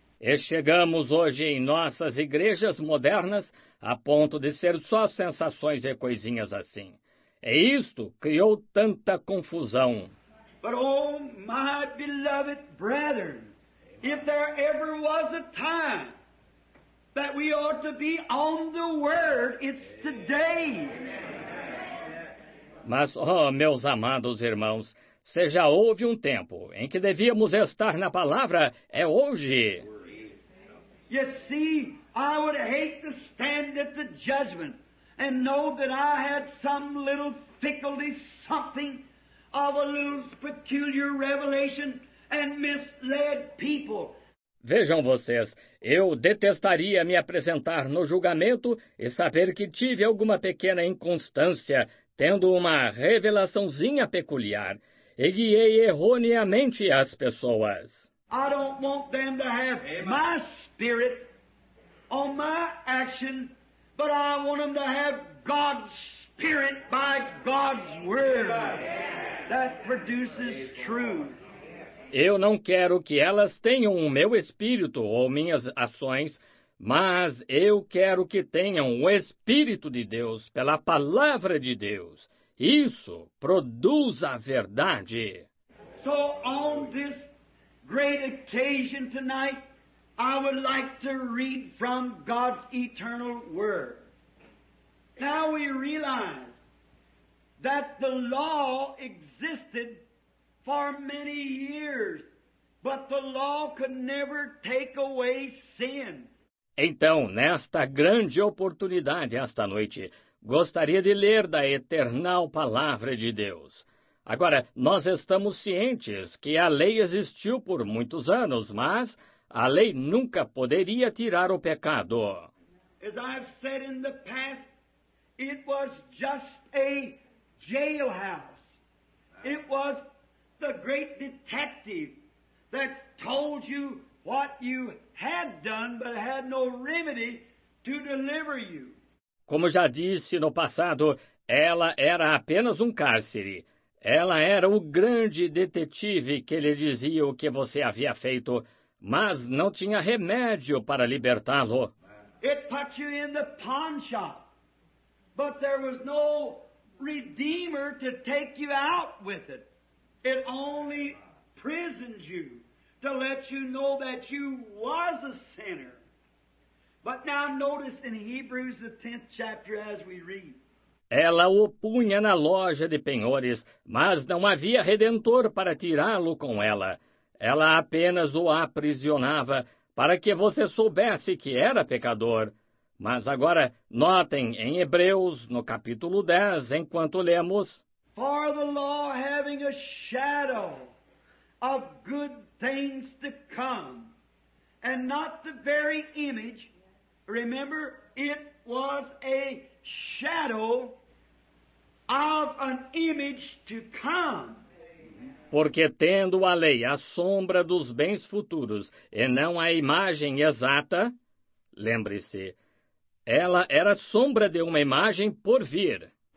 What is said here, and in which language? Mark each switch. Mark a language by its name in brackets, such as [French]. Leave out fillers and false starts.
[Portuguese] E chegamos hoje em nossas igrejas modernas a ponto de ser só sensações e coisinhas assim. E isto criou tanta confusão. [English] But oh, my beloved brethren, if there ever was a time that we ought to be on the word, it's today. [Portuguese] Mas, oh, meus amados irmãos, se já houve um tempo em que devíamos estar na palavra, é hoje. [English] You see, I would hate to stand at the judgment and know that I had some little fickle something of a little peculiar revelation and misled people. [Portuguese] Vejam vocês, eu detestaria me apresentar no julgamento e saber que tive alguma pequena inconstância, tendo uma revelaçãozinha peculiar, e guiei erroneamente as pessoas. [English] I don't want them to have my spirit on my action, but I want them to have God's spirit by God's word. That produces truth. [Portuguese] Eu não quero que elas tenham o meu espírito ou minhas ações, mas eu quero que tenham o Espírito de Deus pela palavra de Deus. Isso produz a verdade. [English] So on this great occasion tonight, I would like to read from God's eternal word. Now we realize that the law existed for many years, but the law could never take away sin. [Portuguese] Então, nesta grande oportunidade, esta noite, gostaria de ler da eternal palavra de Deus. Agora, nós estamos cientes que a lei existiu por muitos anos, mas a lei nunca poderia tirar o pecado. [English] As I've said in the past, it was just a jailhouse. It was the great detective that told you what you had done but had no remedy to deliver you. [Portuguese] Como já disse no passado, ela era apenas um cárcere. Ela era o grande detetive que lhe dizia o que você havia feito, mas não tinha remédio para libertá-lo. [English] It put you in the pawn shop, but there was no Redeemer to take you out with it. It only prisoned you to let you know that you was a sinner. But now notice in Hebrews the 10th chapter as we read. [Portuguese] Ela o punha na loja de penhores, mas não havia redentor para tirá-lo com ela. Ela apenas o aprisionava para que você soubesse que era pecador. Mas agora, notem em Hebreus, no capítulo 10, enquanto lemos: [English] For the law having a shadow of good things to come, and not the very image, remember, it was a shadow of an image to come. [Portuguese] Porque tendo a lei a sombra dos bens futuros e não a imagem exata, lembre-se, ela era sombra de uma imagem por vir.